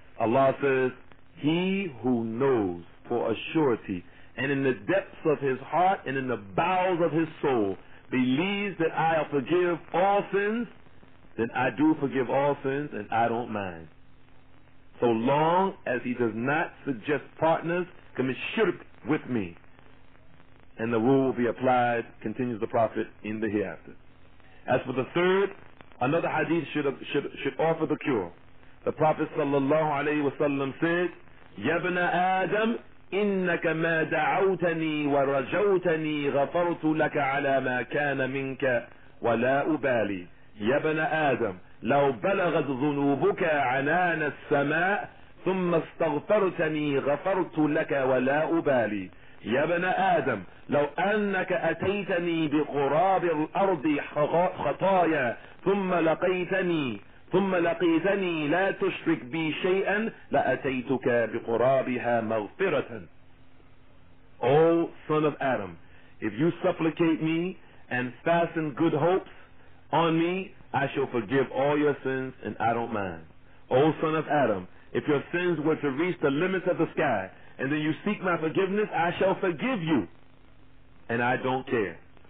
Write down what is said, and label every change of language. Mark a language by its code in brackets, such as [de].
[en] Allah says, He who knows for a surety and in the depths of his heart and in the bowels of his soul believes that I forgive all sins, then I do forgive all sins and I don't mind. So long as he does not suggest partners commit shirk with me. And the rule will be applied, continues the Prophet, in the hereafter. As for the third, another hadith should offer the cure. The Prophet sallallahu alayhi wa sallam said, [ar] يَبْنَ آدَمْ إِنَّكَ مَا دَعَوْتَنِي وَرَجَوْتَنِي غَفَرْتُ لَكَ عَلَى مَا كَانَ مِنْكَ وَلَا أُبَالِي. يَبْنَ آدَمْ لَوْ بَلَغَتْ ذُنُوبُكَ عَنَانَ السَّمَاءِ ثُمَّ اسْتَغْفَرْتَنِي غَفَرْتُ لَكَ وَلَا أُبَالِي. يا بن آدم لو أنك أتيتني بقراب الأرض خطايا ثم لقيتني لا تشرك بي شيئا لأتيتك بقرابها مغفرة. [en] O son of Adam, if you supplicate me and fasten good hopes on me, I shall forgive all your sins and I don't mind. O son of Adam, if your sins were to reach the limits of the sky and then you seek my forgiveness, I shall forgive you, and I don't care.